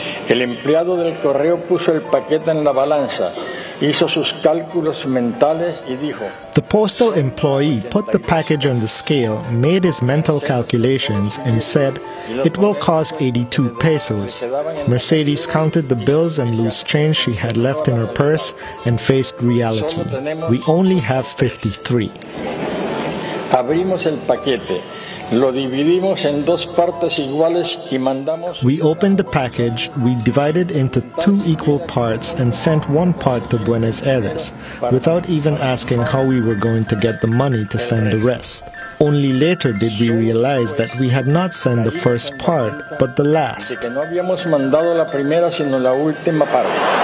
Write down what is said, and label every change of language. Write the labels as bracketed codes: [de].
[es] El empleado del correo puso el paquete en la balanza, hizo sus cálculos mentales y dijo. [en] The postal employee put the package on the scale, made his mental calculations, and said, "It will cost 82 pesos." Mercedes counted the bills and loose change she had left in her purse and faced reality. "We only have 53. [es] Abrimos el paquete. Lo dividimos en dos partes iguales y mandamos. [en] We opened the package, we divided into two equal parts and sent one part to Buenos Aires, without even asking how we were going to get the money to send the rest. Only later did we realize that we had not sent the first part, but the last. [es] Que no habíamos mandado la primera, sino la última parte.